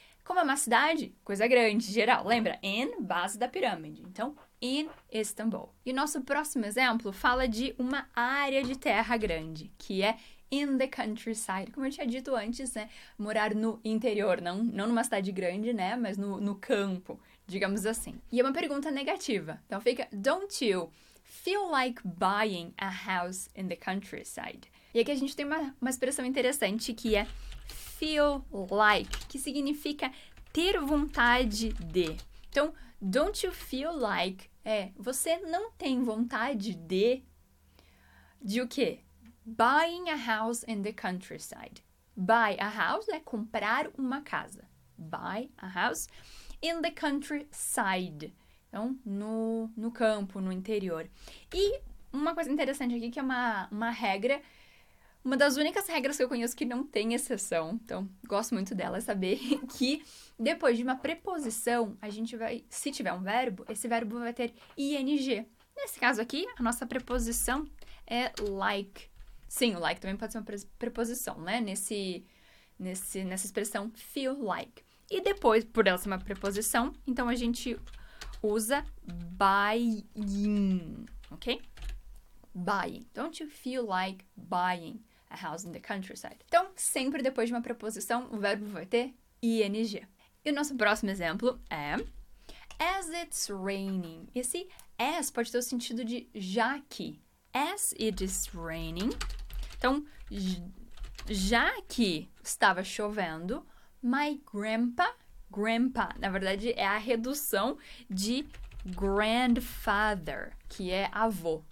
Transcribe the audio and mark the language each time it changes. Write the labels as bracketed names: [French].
[Portuguese] Como é uma cidade, coisa grande, geral. Lembra? In, base da pirâmide. Então, in Istanbul. E o nosso próximo exemplo fala de uma área de terra grande, que é [English] in the countryside. [Portuguese] Como eu tinha dito antes, né? Morar no interior, não numa cidade grande, né? Mas no campo, digamos assim. E é uma pergunta negativa. Então fica, [English] don't you feel like buying a house in the countryside? [Portuguese] E aqui a gente tem uma expressão interessante que é feel like, que significa ter vontade de. Então, [English] don't you feel like [Portuguese] é, você não tem vontade de o quê? [English] Buying a house in the countryside. Buy a house [Portuguese] é comprar uma casa. [English] Buy a house in the countryside. [Portuguese] Então, no campo, no interior. E uma coisa interessante aqui, que é uma regra, uma das únicas regras que eu conheço que não tem exceção, então gosto muito dela, é saber que depois de uma preposição, a gente vai, se tiver um verbo, esse verbo vai ter ing. Nesse caso aqui, a nossa preposição é like. Sim, o like também pode ser uma preposição, né? Nessa expressão feel like. E depois, por ela ser uma preposição, então a gente usa buying, ok? [English] Buying. Don't you feel like buying a house in the countryside? [Portuguese] Então, sempre depois de uma preposição, o verbo vai ter ing. E o nosso próximo exemplo é [English] as it's raining. [Portuguese] Esse as pode ter o sentido de já que. [English] As it is raining. [Portuguese] Então, já que estava chovendo, [English] my grandpa, [Portuguese] na verdade, é a redução de grandfather, que é avô.